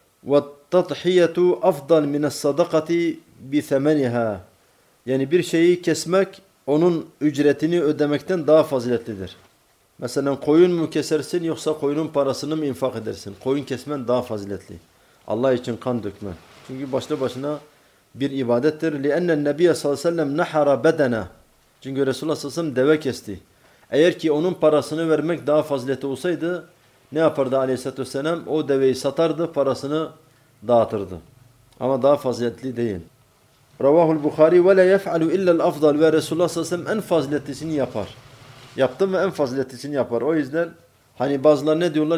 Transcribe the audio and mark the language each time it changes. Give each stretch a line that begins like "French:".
Arabic: وَالتَّضْحِيَةُ اَفْضَلْ مِنَ السَّدَقَةِ بِثَمَنِهَا
Turkish: Yani bir şeyi kesmek onun ücretini ödemekten daha faziletlidir. Mesela koyun mu kesersin yoksa koyunun parasını mı infak edersin? Koyun kesmen daha faziletli. Allah için kan dökmen. Çünkü başlı başına bir ibadettir.
Arabic: لِأَنَّ النَّبِيَ صَلَى سَلَّمْ نَحَرَ بَدَنَا
Turkish: Çünkü Resulullah s.a.v. deve kesti. Eğer ki onun parasını vermek daha fazileti olsaydı ne yapardı aleyhissalatü vesselam? O deveyi satardı, parasını dağıtırdı. Ama daha faziletli değil.
Arabic: Ravahul Bukhari وَلَا يَفْعَلُ اِلَّا الْاَفْضَلُ
Turkish: Ve Resulullah s.a.v. en faziletlisini yapar. Yaptı mı en faziletlisini yapar. O yüzden hani bazıları ne diyorlar?